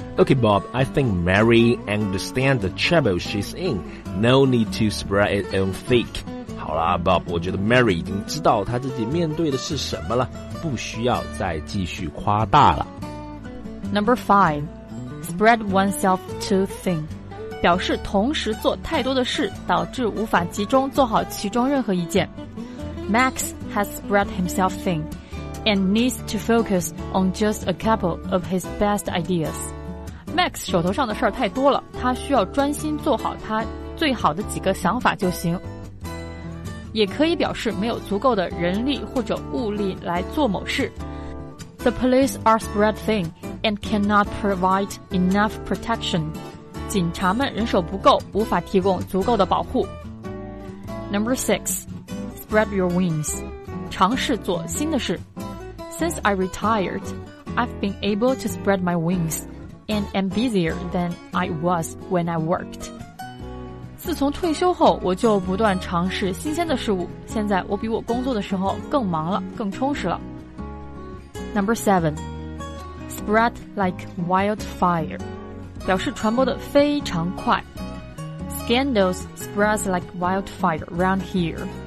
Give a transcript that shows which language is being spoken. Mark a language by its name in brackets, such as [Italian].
[English] Okay, Bob, I think Mary understands the trouble she's in. No need to spread its own thick. [Chinese] 好啦 Bob, 我觉得 Mary 已经知道她自己面对的是什么了，不需要再继续夸大了。 [English] Number five, spread oneself too thin. [Chinese] 表示同时做太多的事，导致无法集中做好其中任何一件。 [English] Max has spread himself thin. And needs to focus on just a couple of his best ideas. [Chinese] Max 手头上的事儿太多了，他需要专心做好他最好的几个想法就行。也可以表示没有足够的人力或者物力来做某事。 [English] The police are spread thin and cannot provide enough protection. [Chinese] 警察们人手不够，无法提供足够的保护。 [English] Number six, spread your wings. [Chinese] 尝试做新的事。 [English] Since I retired, I've been able to spread my wings and am busier than I was when I worked. [Chinese] 自从退休后，我就不断尝试新鲜的事物，现在我比我工作的时候更忙了，更充实了。 [English] Number seven, spread like wildfire. [Chinese] 表示传播得非常快。 [English] Scandals spread like wildfire around here.